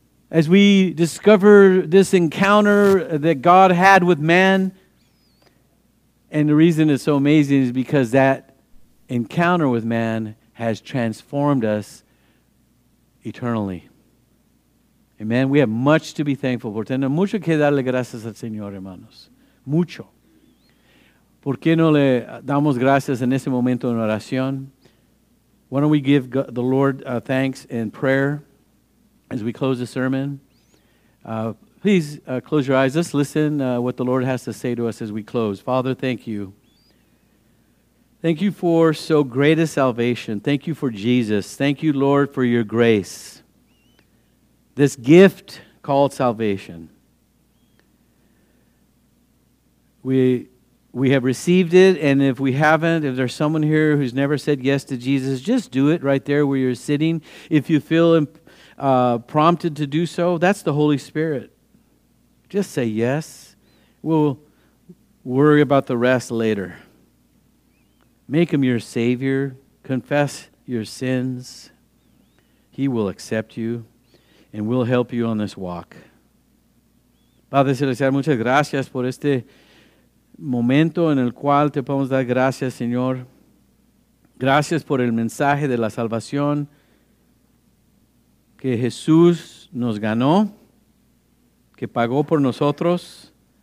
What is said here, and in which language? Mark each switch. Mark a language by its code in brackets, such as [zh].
[en] As we discover this encounter that God had with man, and the reason it's so amazing is because that encounter with man has transformed us eternally. Amen. We have much to be thankful for. [es] Tenemos mucho que darle gracias al Señor, hermanos. Mucho. ¿Por qué no le damos gracias en ese momento en oración? [en] Why don't we give the Lord thanks in prayer as we close the sermon? Please close your eyes. Let's listen what the Lord has to say to us as we close. Father, thank you. Thank you for so great a salvation. Thank you for Jesus. Thank you, Lord, for your grace. This gift called salvation. We have received it, and if we haven't, if there's someone here who's never said yes to Jesus, just do it right there where you're sitting. If you feel prompted to do so, that's the Holy Spirit. Just say yes. We'll worry about the rest later. Make Him your Savior. Confess your sins. He will accept you, and we'll help you on this walk. [es] Padre Celestial, muchas gracias por este momento en el cual te podemos dar gracias, Señor. Gracias por el mensaje de la salvación que Jesús nos ganó, que pagó por nosotros.